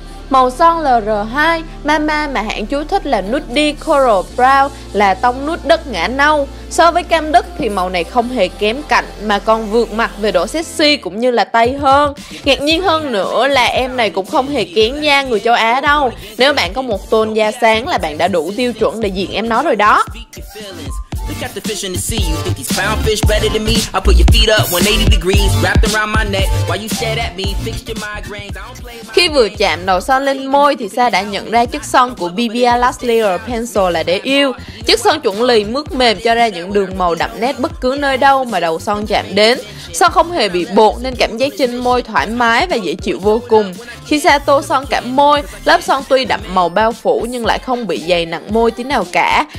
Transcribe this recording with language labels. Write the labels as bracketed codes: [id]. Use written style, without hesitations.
[vi] Màu son LR2, Mama mà hãng chú thích là Nude Coral Brown, là tông nude đất ngã nâu. So với cam đất thì màu này không hề kém cạnh mà còn vượt mặt về độ sexy cũng như là tây hơn. Ngạc nhiên hơn nữa là em này cũng không hề kén da người châu Á đâu. Nếu bạn có một tone da sáng là bạn đã đủ tiêu chuẩn để diện em nó rồi đó. [en] Look at the fish in the sea, you think these clownfish better than me? I put your feet up 180 degrees, wrapped around my neck, while you stared at me, fixed your migraines, I don't play my... [vi] Khi vừa chạm đầu son lên môi thì Sa đã nhận ra chất son của BBL Last Layer Pencil là để yêu. Chất son chuẩn lì mướt mềm cho ra những đường màu đậm nét bất cứ nơi đâu mà đầu son chạm đến. Son không hề bị bột nên cảm giác trên môi thoải mái và dễ chịu vô cùng. Khi Sa tô son cả môi, lớp son tuy đậm màu bao phủ nhưng lại không bị dày nặng môi tí nào cả.